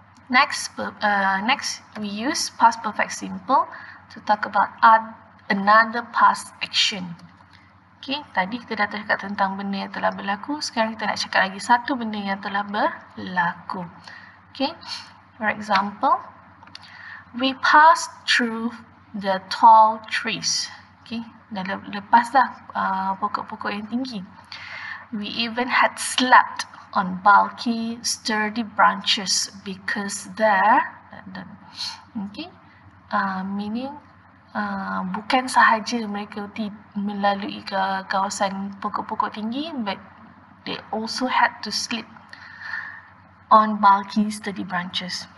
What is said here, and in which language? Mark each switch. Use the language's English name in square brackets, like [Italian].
[English] Next, we use past perfect simple to talk about another past action. [Malay] Okay, tadi kita dah cakap tentang benda yang telah berlaku. Sekarang kita nak cakap lagi satu benda yang telah berlaku. [English] Okay, for example, we passed through the tall trees. Ok, [Malay] Okay, dah lepas lah pokok-pokok yang tinggi. [English] We even had slept on bulky, sturdy branches because there, okay, meaning [Malay] bukan sahaja mereka melalui kawasan pokok-pokok tinggi, [English] but they also had to sleep on bulky, sturdy branches.